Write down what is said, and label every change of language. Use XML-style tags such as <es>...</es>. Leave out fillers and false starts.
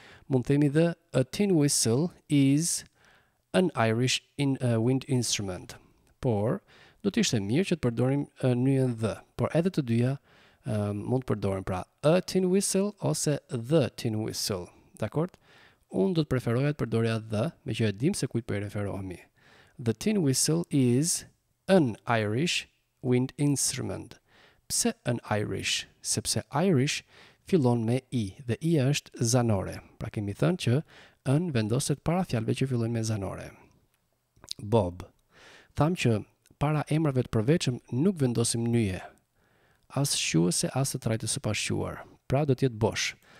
<sq>Mund themi dhe,</sq> <en>a tin whistle is an Irish in a wind instrument.</en> <sq>Por, do t'ishte mirë që të përdorim nyjen dhe, por edhe të dyja mund të përdorim pra a tin whistle ose the tin whistle. D'akord? Unë do të preferoja të përdorja dhe, me që e dim se kujt po I referohemi.</sq> <en>The tin whistle is an Irish wind instrument.</en> <sq>Pse an Irish? Sepse Irish fillon me I, dhe I është zanore. Pra kemi thënë që an vendoset para fjalëve që fillojnë me zanore. Bob. Tham që para emrave të përveçëm nuk vendosim nyje. As shuese as të trajtës së pashquar. Pra do të jetë bosh.</sq>